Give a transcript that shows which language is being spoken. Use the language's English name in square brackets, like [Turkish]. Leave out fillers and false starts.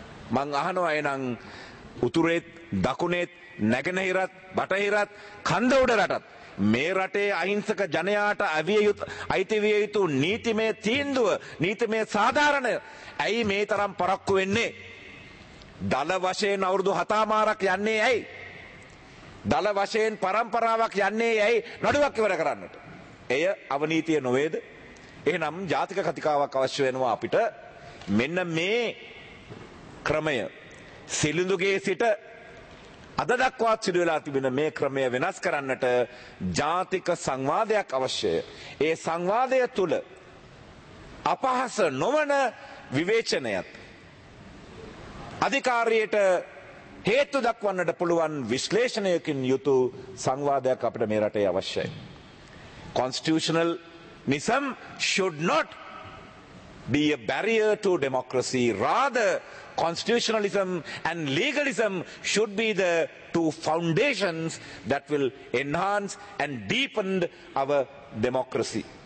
[Sinhala] man ahanawa enan උතුරේ දකුණේ නැගෙනහිරත් බටහිරත් කන්ද උඩ රටත් මේ රටේ අහිංසක ජනයාට අවිය යුතු අයිති විය යුතු නීතිමය තීන්දුව නීතිමය සාධාරණය ඇයි මේ තරම් පරක්කු වෙන්නේ? දල වශයෙන් අවුරුදු හතාමාරක් යන්නේ ඇයි? දල වශයෙන් පරම්පරාවක් යන්නේ ඇයි නඩුවක් ඉවර කරන්නට? එය අවනීතිය නොවේද? එහෙනම් ජාතික කතිකාවක් අවශ්‍ය වෙනවා අපිට. මෙන්න මේ ක්‍රමය සිලිඳුගේ සිට අද දක්වාත් සිදු වෙලා තිබෙන මේ ක්‍රමය වෙනස් කරන්නට ජාතික සංවාදයක් අවශ්‍යය. ඒ සංවාදය තුළ අපහස නොවන විවේචනයත් අධිකාරියට හේතු දක්වන්නට පුළුවන් විශ්ලේෂණයකින් යුතු සංවාදයක් අපිට මේ රටේ අවශ්‍යයි. [English] Constitutional nism should not be a barrier to democracy. Rather, constitutionalism and legalism should be the two foundations that will enhance and deepen our democracy.